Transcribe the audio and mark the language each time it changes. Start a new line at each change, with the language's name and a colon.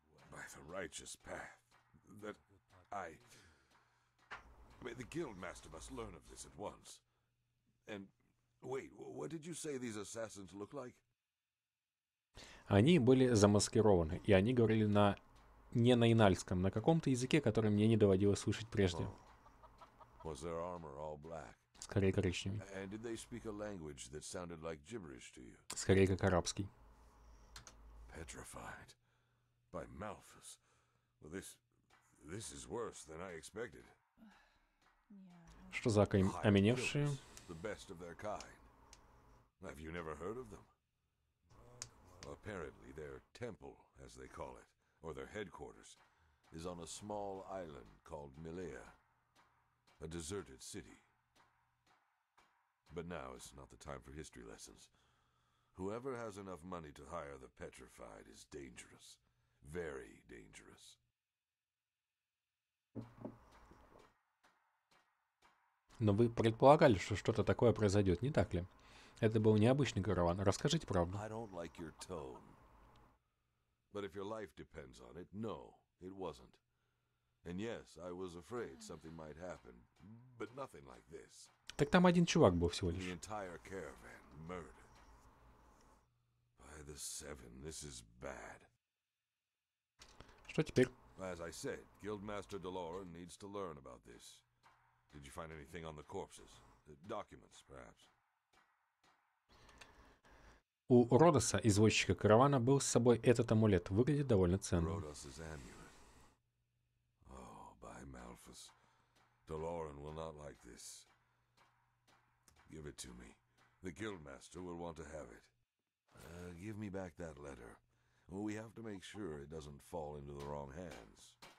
English: By the righteous path that I may the guild master must learn of this at once. And wait, what did you say these assassins look like?
Russian: Они были замаскированы, и они говорили на не на инальском, на каком-то языке, который мне не доводилось слышать прежде.
English: Was their armor all black?
Russian: Скорее коричневый.
English: And did they speak a language that sounded like gibberish to you?
Russian: Скорее как арабский.
English: Petrified. By Malthus. Well, this is worse than I expected.
Russian: Что за окаменевшие?
English: The best of their kind. Have you never heard of them? Apparently their temple, as they call it, or their headquarters, is on a small island called Milea, a deserted city. But now is not the time for history lessons. Whoever has enough money to hire the petrified is dangerous. Very dangerous.
Russian: Но вы предполагали, что что-то такое произойдет, не так ли? Это был необычный караван. Расскажите правду.
English: I don't like your tone. But if your life depends on it, no, it wasn't. And yes, I was afraid something might happen, but nothing like this.
Russian: Так там один чувак был всего лишь.
English: The entire caravan murdered. By the seven, this is bad.
Russian: Что теперь?
English: As I said, Guildmaster Delorean needs to learn about this. Did you find anything on the corpses? Documents, perhaps?
Russian: У Родоса, извозчика каравана, был с собой этот амулет. Выглядит довольно ценным.
English: Родос's amulet. Oh, by Malphus. Delorean will not like this. Give it to me. The Guildmaster will want to have it. Give me back that letter. We have to make sure it doesn't fall into the wrong hands.